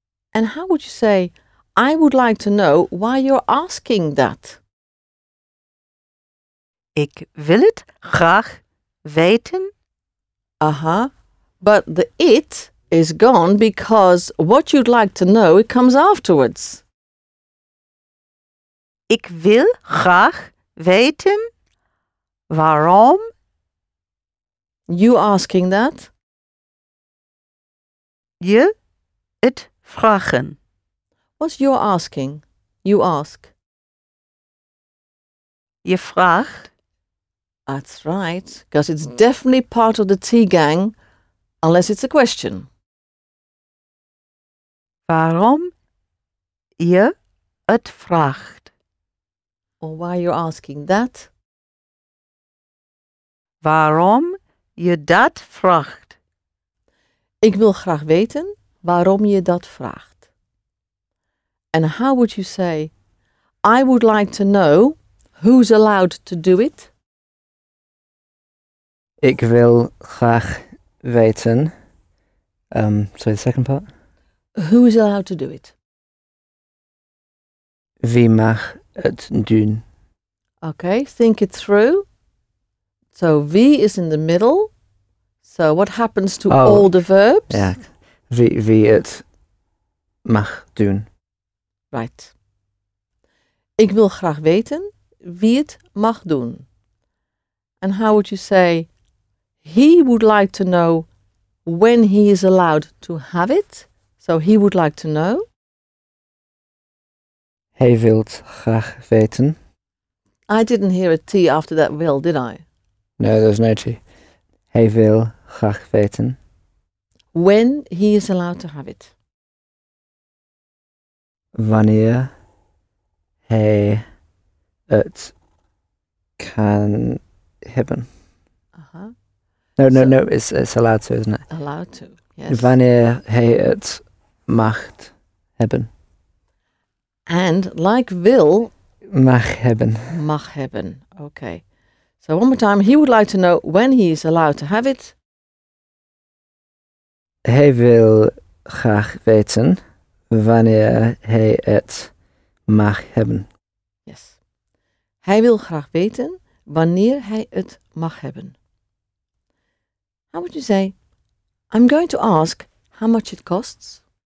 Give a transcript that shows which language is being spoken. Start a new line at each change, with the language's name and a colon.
English: And how would you say, I would like to know why you're asking that?
Dutch: Ik wil het graag weten. Uh-huh.
English: But the it is gone because what you'd like to know, it comes afterwards.
Dutch: Ik wil graag weten waarom.
English: You asking that?
Dutch: Je het vragen.
English: What's your asking? You ask.
Dutch: Je vraagt.
English: That's right, because it's definitely part of the tea gang, unless it's a question.
Dutch: Waarom je het vraagt?
English: Or why you're asking that?
Dutch: Waarom je dat vraagt? Ik wil graag weten waarom je dat vraagt.
English: And how would you say, I would like to know who's allowed to do it?
Dutch: Ik wil graag weten,
English: sorry, the second part. Who is allowed to do it?
Dutch: Wie mag het doen?
English: Okay, think it through. So, wie is in the middle. So, what happens to all the verbs?
Dutch: Yeah. Wie het mag doen.
English: Right.
Dutch: Ik wil graag weten wie het mag doen.
English: And how would you say, he would like to know when he is allowed to have it. So he would like to know.
Dutch: Hij wilt graag weten.
English: I didn't hear a T after that will, did I? No, there's no T.
Dutch: Hij wil graag weten.
English: When he is allowed to have it.
Dutch: Wanneer hij het kan hebben.
English: No, it's allowed to, isn't it? Allowed to, yes.
Dutch: Wanneer hij het mag hebben.
English: And like Will.
Dutch: Mag hebben. Mag hebben, okay.
English: So one more time, he would like to know when he is allowed to have it.
Dutch: Hij wil graag weten wanneer hij het mag hebben.
English: Yes.
Dutch: Hij wil graag weten wanneer hij het mag hebben.
English: How would you say, I'm going to ask how much it costs?